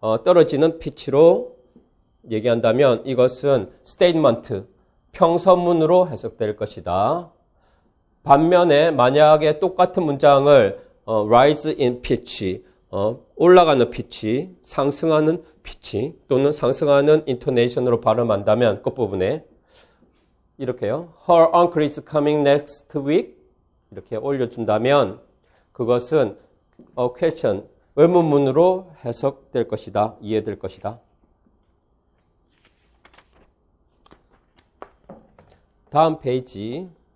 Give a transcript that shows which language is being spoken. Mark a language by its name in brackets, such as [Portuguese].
[Korean] 떨어지는 피치로 얘기한다면 이것은 statement, 평서문으로 해석될 것이다. 반면에 만약에 똑같은 문장을 [English] rise in pitch, [Korean] 올라가는 피치, 상승하는 피치 또는 상승하는 intonation으로 발음한다면 끝부분에 이렇게요. [English] Her uncle is coming next week. [Korean] 이렇게 올려준다면 그것은 [English] a question, [Korean] 의문문으로 해석될 것이다. 이해될 것이다. 다음 페이지.